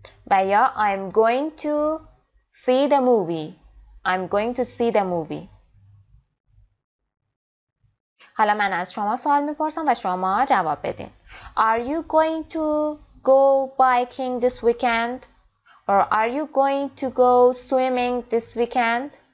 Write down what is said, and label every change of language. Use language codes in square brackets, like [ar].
[fa] و یا [en] I'm going to see the movie. [fa] حالا من از شما سوال میپرسم و شما جواب بدین. [en] Are you going to go biking this weekend? Or are you going to go swimming this weekend?